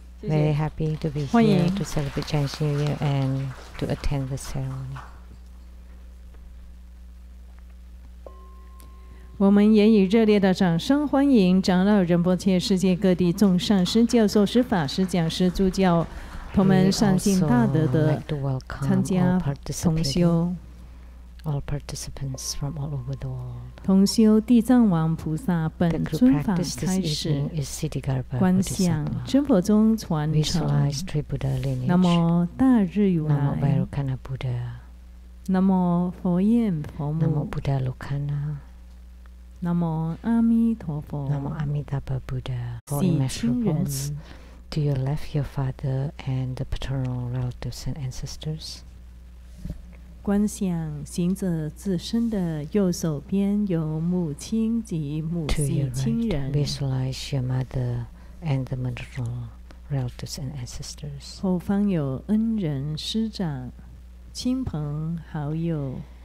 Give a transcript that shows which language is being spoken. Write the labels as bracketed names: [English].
[English] Very happy to be here to celebrate Chinese New Year and to attend the ceremony. [Chinese] 我们也以热烈的掌声欢迎长老仁波切、世界各地众上师、教授师、法师、讲师、助教。同门上进大德的参加同修 [English] all participants from all over the world. [Chinese] 同修地藏王菩萨本尊法开始 [English] is Ksitigarbha [Chinese] 观想真佛宗传承南无大日如来南无白如看那布达南无佛焰佛母南无布达卢卡那南无阿弥陀佛南无阿弥达巴布达喜亲人 [English] To your left, your father and the paternal relatives and ancestors. [Chinese] 观想行者自身的右手边有母亲及母系亲人。 [English] To your right, visualize your mother and the maternal relatives and ancestors. [Chinese] 后方有恩人师长、亲朋好友。